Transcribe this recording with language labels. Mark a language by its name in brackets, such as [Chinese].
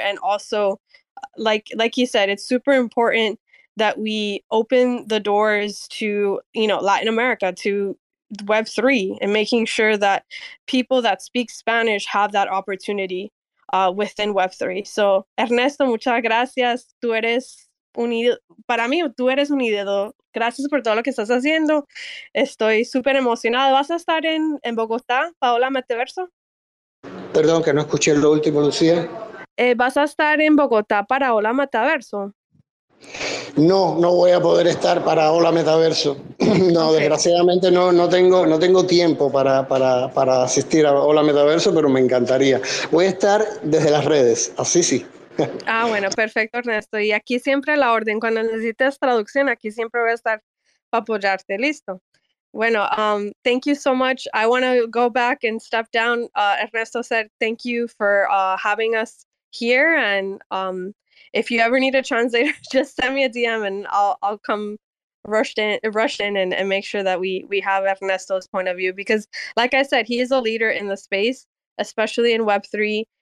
[English] And also, like he said, it's super important that we open the doors to, you know, Latin America, to Web3, and making sure that people that speak Spanish have that opportunity within Web3. [Spanish] So, Ernesto, muchas gracias. Tú eres para mí, tú eres un ídolo. Gracias por todo lo que estás haciendo. Estoy súper emocionado. ¿Vas a estar en Bogotá, Paola Metaverso? Perdón, que no escuché lo último, Lucía. ¿Vas a estar en Bogotá para Hola Metaverso? No voy a poder estar para Hola Metaverso. No, okay. Desgraciadamente no tengo tiempo para asistir a Hola Metaverso, pero me encantaría. Voy a estar desde las redes, así sí. Ah, bueno, perfecto, Ernesto. Y aquí siempre a la orden. Cuando necesites traducción, aquí siempre voy a estar para apoyarte. Listo. Bueno, [English] thank you so much. I want to go back and step down. Ernesto said thank you for having us here and if you ever need a translator, just send me a DM and I'll come rushed in and make sure that we have Ernesto's point of view, because like I said, he is a leader in the space, especially in Web3.